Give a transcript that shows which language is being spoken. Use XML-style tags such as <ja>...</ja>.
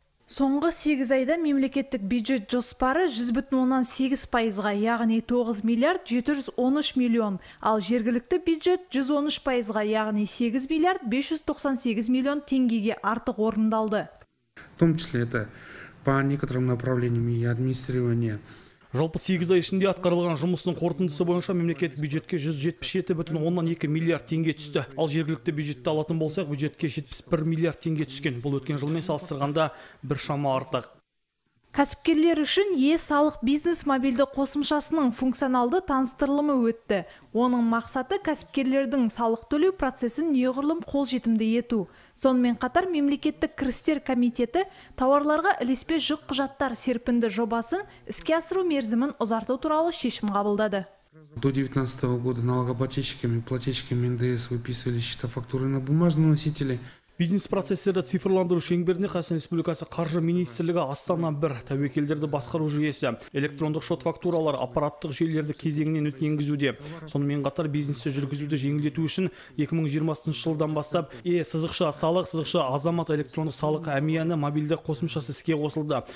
<kk>Соңғы 8 айда мемлекеттік бюджет жоспары 100,8%, яғни 9 миллиард 713 миллион, ал жергілікті бюджет 113%, яғни 8 миллиард 598 миллион теңгеге артық орындалды.</kk> <ru>В том числе это по некоторым направлениям и администрирование.</ru> <kk>Жалпы 8 ай ішінде атқарылған жұмыстың қорытындысы бойынша мемлекеттік бюджетке 177,2 миллиард теңге түсті. Ал жергілікті бюджетті алатын болсақ, бюджетке 71 миллиард теңге түскен. Бұл өткен жылмен салыстырғанда бір шама артық. Кәсіпкерлер үшін е-салық бизнес мобильді қосымшасының функционалды таныстырылымы өтті. Оның мақсаты кәсіпкерлердің салық төлеу процесін неғұрлым қол жетімді ету. Сонымен қатар мемлекеттік кірістер комитеті тауарларға ілеспе жүк құжаттар серпінді жобасын іске асыру мерзімін ұзарту туралы шешім қабылдады.</kk> <ru>До 2019 года налогоплательщиками, плательщиками НДС выписывали счета фактуры на бумажном носителе.</ru> <kk>Бизнес процестерді цифрландыру шеңберіне Қазақстан Республикасы қаржы министрлігі Астана 1 тәуекелдерді басқару жүйесі, электрондық шот фактуралар аппараттық желілерді кезеңінен өтін енгізуде. Сонымен қатар бизнесті жүргізуді жеңілдету үшін 2020 жылдан бастап е-сызықша салық, сызықша азамат электрондық салық әмияны мобильді қосымшасы іске қосылды.</kk>